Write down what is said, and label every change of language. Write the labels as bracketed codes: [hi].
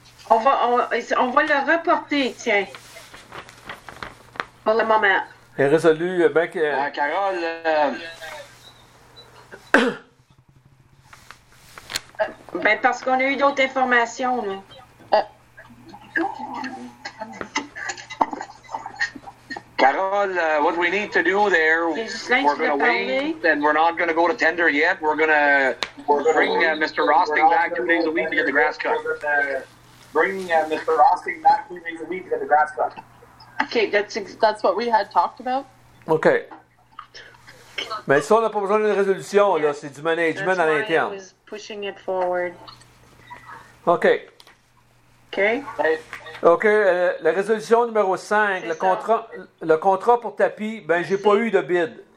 [fr] On va le reporter, tiens. Pour le moment. Et résolu, ben que... Carole... ben, parce qu'on a eu d'autres informations, là. [en] Carole, what we need to do there, we're going to wait, and we're not going to go to tender yet. We're going to bring Mr. Rosting back 2 days a week to get the grass cut. Okay, that's what we had talked about. Okay. [fr] Mais ça, on n'a pas besoin d'une résolution, là. C'est du management à l'interne. [en] That's why I was pushing it forward. Okay. Okay. [fr] OK, la résolution numéro 5, le contrat pour tapis, ben j'ai pas eu de bid.